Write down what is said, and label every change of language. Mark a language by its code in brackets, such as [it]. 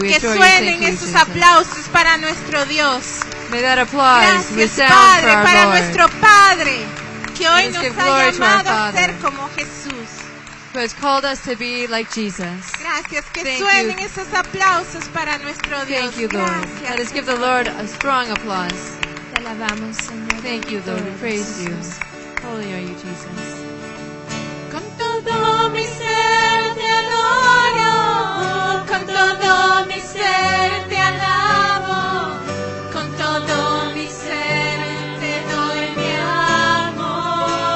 [es] Que suenen esos aplausos para nuestro Dios. [en] May that applause resound [es] Gracias, Padre, para nuestro Padre, que hoy nos ha llamado a ser como Jesús. [en] Who has called us to be like Jesus. [es] Gracias, que suenen esos aplausos para nuestro Dios. [en] Thank you, Lord. [es] Gracias. [en] Let us give the Lord a strong applause. [es] Te alabamos, Señor. [en] Thank you, Lord. We praise you. Holy are you, Jesus. [es] Con todo mi ser te adoro, con todo mi ser te alabo, con todo mi ser te doy mi amor.